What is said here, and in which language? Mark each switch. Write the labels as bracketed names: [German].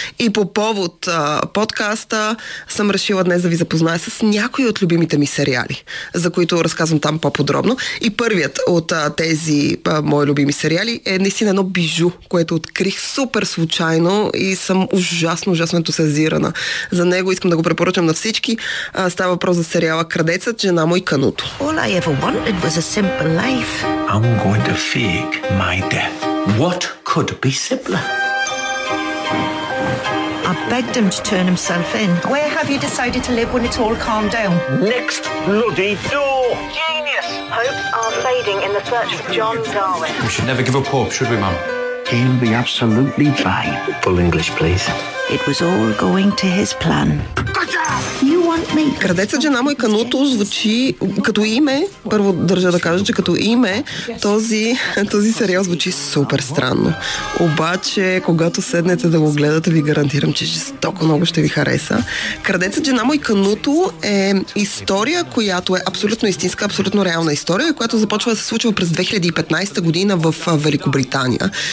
[Bulgarian] И по повод подкаста съм решила днес да ви запозная с някои от любимите ми сериали, за които разказвам там по-подробно. И първият от тези мои любими сериали е наистина едно бижу, което открих супер случайно и съм ужасно ентусиазирана за него. Искам да го препоръчам на всички. Става въпрос за сериала Крадецът, жена му и Кануто. [English] All I ever wanted was a simple life. I'm going to fake my death. What could be simpler? I begged him to turn himself in. Where have you decided to live when it's all calmed down? Next bloody door! Genius! Hopes are fading in the search for John Darwin. We should never give up hope, should we, Mum? He'll be absolutely fine. Full English, please. It was all going to his plan. [Bulgarian] Крадецът, жена му и Кануто звучи като име. Първо държа да кажа, че като име този сериал звучи супер странно. Обаче, когато седнете да го гледате, ви гарантирам, че жестоко много ще ви хареса. Крадецът, жена му и Кануто е история, която е абсолютно истинска, абсолютно реална история, която започва да се случва през 2015 година в Великобритания.